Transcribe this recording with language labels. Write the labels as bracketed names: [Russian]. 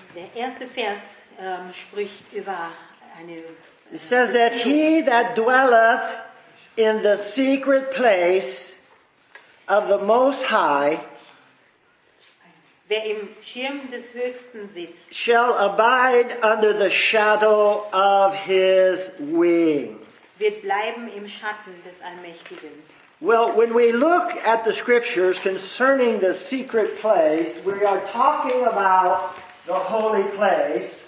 [German] Der erste Vers spricht über eine. [English] It says that he that dwelleth in the secret place of the Most High, [German] wer im Schirm des Höchsten sitzt, [English] shall abide under the shadow of his wing. [German] Wird bleiben im Schatten des Allmächtigen. [English] Well, when we look at the scriptures concerning the secret place, we are talking about the holy place.